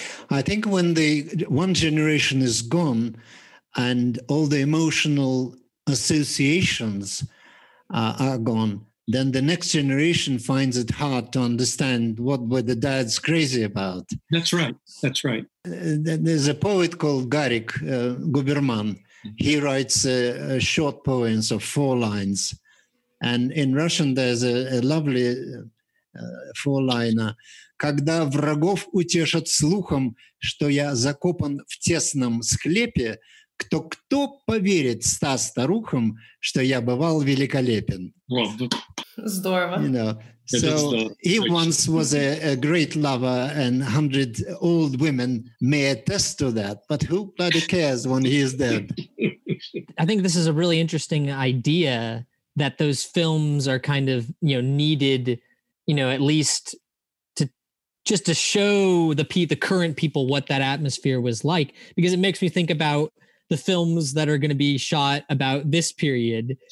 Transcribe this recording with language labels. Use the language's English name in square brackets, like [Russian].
[English] I think when the one generation is gone and all the emotional associations are gone, then the next generation finds it hard to understand what were the dads crazy about. That's right. That's right. There's a poet called Garik Guberman. He writes a short poems of four lines. And in Russian, there's a lovely four-liner. [Russian] Когда врагов утешат слухом, что я закопан в тесном склепе, Кто поверит ста старухам, что я бывал великолепен? Здорово. [English] You know, so he once was a great lover, and 100 old women may attest to that, but who bloody cares when he is dead? I think this is a really interesting idea that those films are kind of, you know, needed, you know, at least to just to show the current people what that atmosphere was like, because it makes me think about the films that are going to be shot about this period.